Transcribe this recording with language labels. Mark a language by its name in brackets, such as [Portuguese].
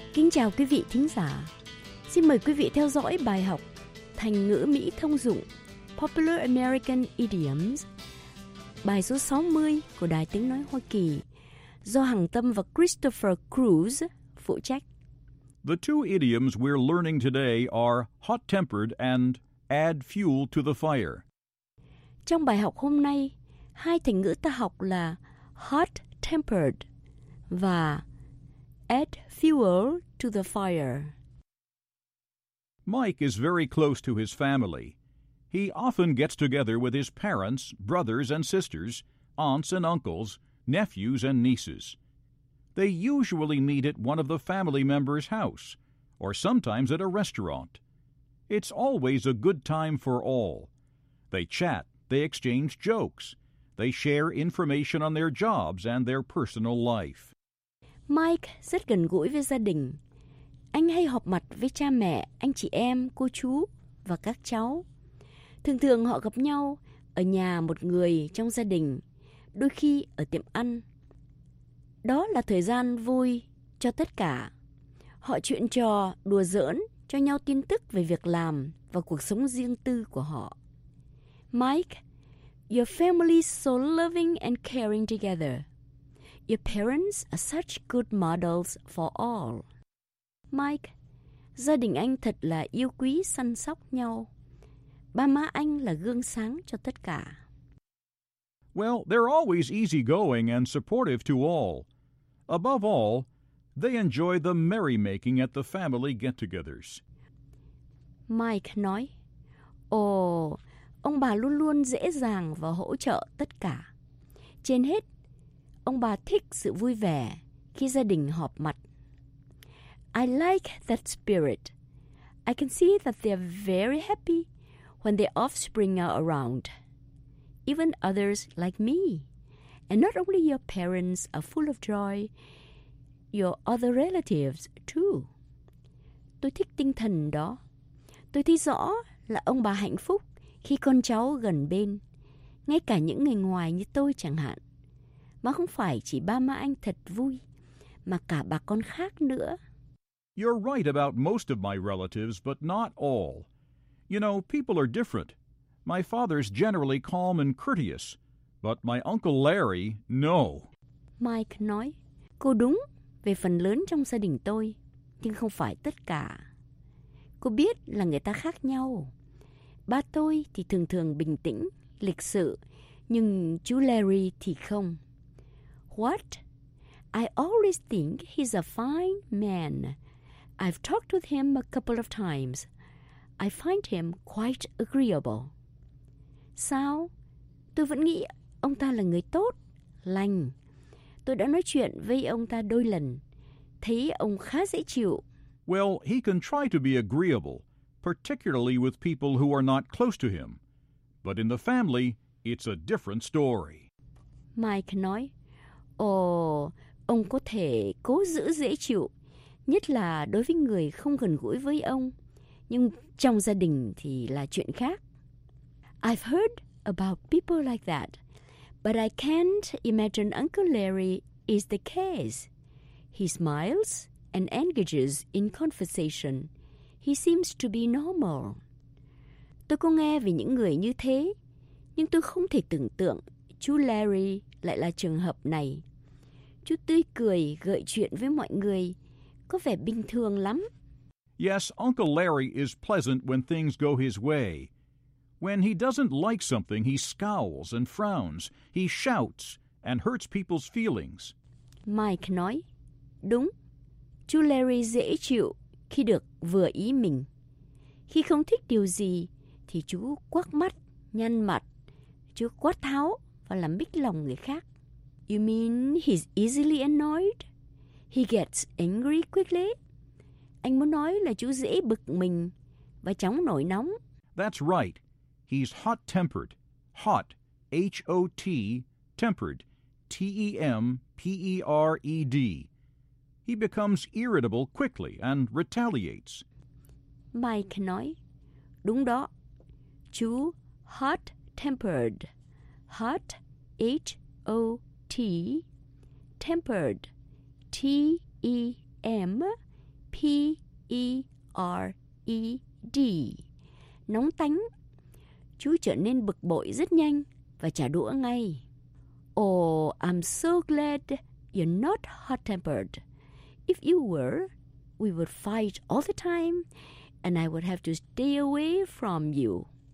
[Vietnamese] Chào quý vị thính giả. Xin mời quý vị theo dõi bài học Thành ngữ Mỹ thông dụng [English] Popular American Idioms, [Vietnamese] bài số 60 của Đài Tiếng Nói Hoa Kỳ, do Hằng Tâm và Christopher Cruz phụ trách. [English] The two idioms we're learning today are hot-tempered and add fuel to the fire. [Vietnamese] Trong bài học hôm nay, hai thành ngữ ta học là hot-tempered và [English] add fuel to the fire. Mike is very close to his family. He often gets together with his parents, brothers and sisters, aunts and uncles, nephews and nieces. They usually meet at one of the family members' house, or sometimes at a restaurant. It's always a good time for all. They chat, they exchange jokes, they share information on their jobs and their personal life. [Vietnamese] Mike rất gần gũi với gia đình. Anh hay họp mặt với cha mẹ, anh chị em, cô chú và các cháu. Thường thường họ gặp nhau ở nhà một người trong gia đình, đôi khi ở tiệm ăn. Đó là thời gian vui cho tất cả. Họ chuyện trò, đùa giỡn, cho nhau tin tức về việc làm và cuộc sống riêng tư của họ. [English] Mike, your family is so loving and caring together. Your parents are such good models for all. [Vietnamese] Mike, gia đình anh thật là yêu quý, săn sóc nhau. Ba má anh là gương sáng cho tất cả. [English] Well, they're always easygoing and supportive to all. Above all, they enjoy the merrymaking at the family get-togethers. [Vietnamese] Mike nói, ông bà luôn luôn dễ dàng và hỗ trợ tất cả. Trên hết, ông bà thích sự vui vẻ khi gia đình họp mặt. [English] I like that spirit. I can see that they're very happy when their offspring are around. Even others like me. And not only your parents are full of joy, your other relatives too. [Vietnamese] Tôi thích tinh thần đó. Tôi thấy rõ là ông bà hạnh phúc khi con cháu gần bên, ngay cả những người ngoài như tôi chẳng hạn. Mà không phải chỉ ba má anh thật vui, mà cả bà con khác nữa. [English] You're right about most of my relatives, but not all. You know, people are different. My father's generally calm and courteous, but my Uncle Larry, no. [Vietnamese] Mike nói, cô đúng về phần lớn trong gia đình tôi, nhưng không phải tất cả. Cô biết là người ta khác nhau. Ba tôi thì thường thường bình tĩnh, lịch sự, nhưng chú Larry thì không. [English] What? I always think he's a fine man. I've talked with him a couple of times. I find him quite agreeable. [Vietnamese] Sao? Tôi vẫn nghĩ ông ta là người tốt, lành. Tôi đã nói chuyện với ông ta đôi lần. Thấy ông khá dễ chịu. [English] Well, he can try to be agreeable, particularly with people who are not close to him. But in the family, it's a different story. [Vietnamese] Mike nói, Ồ, ông có thể cố giữ dễ chịu, nhất là đối với người không gần gũi với ông. Nhưng trong gia đình thì là chuyện khác. [English] I've heard about people like that, but I can't imagine Uncle Larry is the case. He smiles and engages in conversation. He seems to be normal. [Vietnamese] Tôi có nghe về những người như thế, nhưng tôi không thể tưởng tượng chú Larry lại là trường hợp này. Chú tươi cười, gợi chuyện với mọi người, có vẻ bình thường lắm. [English] Yes, Uncle Larry is pleasant when things go his way. When he doesn't like something, he scowls and frowns. He shouts and hurts people's feelings. [Vietnamese] Mike nói, đúng, chú Larry dễ chịu khi được vừa ý mình. Khi không thích điều gì, thì chú quắc mắt, nhăn mặt, chú quát tháo và làm bích lòng người khác. [English] You mean he's easily annoyed? He gets angry quickly? [Vietnamese] Anh muốn nói là chú dễ bực mình và chóng nổi nóng. [English] That's right. He's hot-tempered. Hot, H-O-T, tempered, T-E-M-P-E-R-E-D. He becomes irritable quickly and retaliates. [Vietnamese] Mike nói, đúng đó. Chú hot-tempered. [English] Hot, H-O-T, tempered, T-E-M-P-E-R-E-D. [Vietnamese] Nóng tánh. Chú trở nên bực bội rất nhanh và trả đũa ngay. [English] Oh, I'm so glad you're not hot-tempered. If you were, we would fight all the time, and I would have to stay away from you.